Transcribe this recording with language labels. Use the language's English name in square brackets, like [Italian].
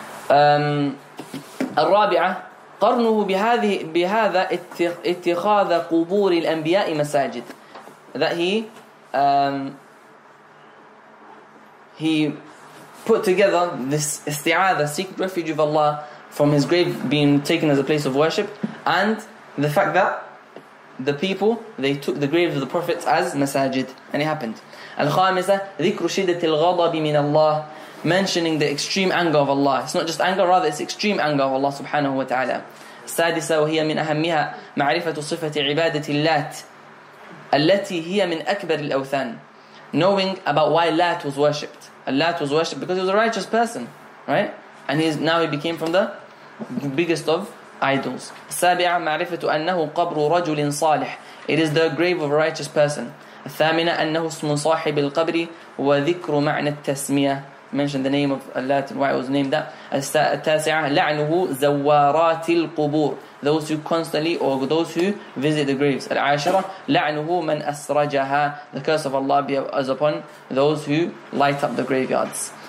[Arabic] Al-Rabi'ah, قرنه بهذه بهذا اتخاذ قبور الأنبياء مساجد. [English] That he put together this isti'adha, seek refuge of Allah from his grave being taken as a place of worship, and the fact that the people, they took the graves of the prophets as masajid, and it happened. [Arabic] الخامسة ذكر شدة الغضب من الله, [English] mentioning the extreme anger of Allah. It's not just anger, rather it's extreme anger of Allah subhanahu wa ta'ala. [Arabic] السادسة وهي من أهمها معرفة صفة عبادة اللات التي هي من أكبر الأوثان. [English] Knowing about why Lat was worshipped. Lat was worshipped because he was a righteous person. right? And now he became from the biggest of idols. [Arabic] السابعة معرفة أنه قبر رجل صالح. [English] It is the grave of a righteous person. [Arabic] الثامنة أنه اسم صاحب القبر وذكر معنى التسمية. [English] Mentioned the name of Allah and why it was named that. [Arabic] التاسعة لعنه زوارات القبور. [English] Those who constantly or those who visit the graves. [Arabic] العاشرة لعنه من أسرجها. [English] The curse of Allah be upon those who light up the graveyards.